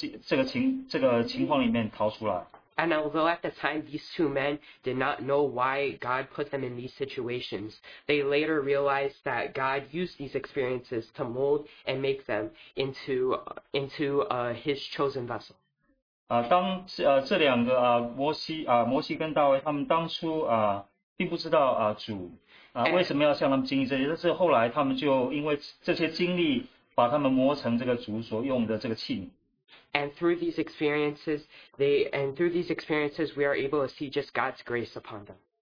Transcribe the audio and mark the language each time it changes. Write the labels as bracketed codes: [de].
[zh] 那在那个时候，他没有这个信号主，反而他就是装疯，想要在这个情况里面逃出来。 [en] And although at the time these two men did not know why God put them in these situations, they later realized that God used these experiences to mold and make them into his chosen vessel. [zh] 当这两个摩西跟大卫他们当初并不知道主为什么要向他们经历这些，但是后来他们就因为这些经历把他们磨成这个主所用的这个器皿。 [en] And through these experiences, we are able to see just God's grace upon them.